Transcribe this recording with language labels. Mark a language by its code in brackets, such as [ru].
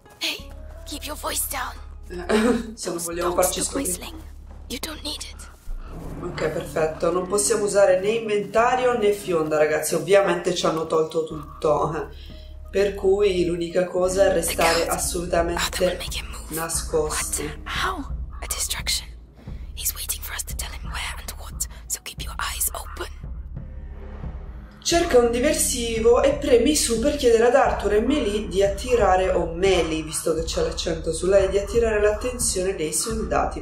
[en] Hey, keep your voice down. [it] Se non vogliamo farci scoprire. [en] You don't need it. [it] Ok, perfetto. Non possiamo usare né inventario né fionda, ragazzi. Ovviamente ci hanno tolto tutto. Per cui l'unica cosa è restare assolutamente nascosti. [en] How? A distraction. He's waiting for us to tell him where and what, so keep your eyes open. [it] Cerca un diversivo e premi su per chiedere ad Arthur e Melly di attirare, o Melly, visto che c'è l'accento su lei, di attirare l'attenzione dei soldati.